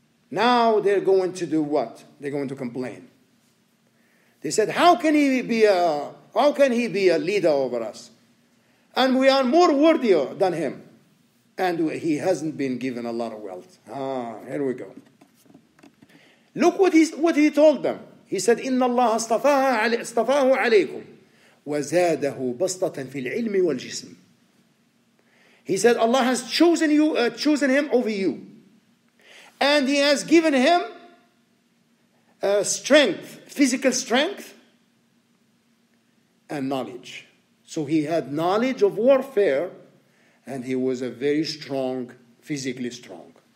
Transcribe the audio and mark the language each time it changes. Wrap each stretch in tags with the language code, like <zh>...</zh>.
<en>Now they're going to do what? They're going to complain. They said, how can he be a leader over us? And we are more worthier than him. And he hasn't been given a lot of wealth. Ah, here we go. Look what he told them. He said,</en> <ar>إِنَّ اللَّهَ اصْطَفَاهُ عَلَيْكُمْ وَزَادَهُ بَسْطَةً فِي الْعِلْمِ وَالْجِسْمِ.</ar> <en>He said, Allah has chosen you, chosen him over you. And he has given him strength, physical strength and knowledge. So he had knowledge of warfare and he was a very strong, physically strong.</en>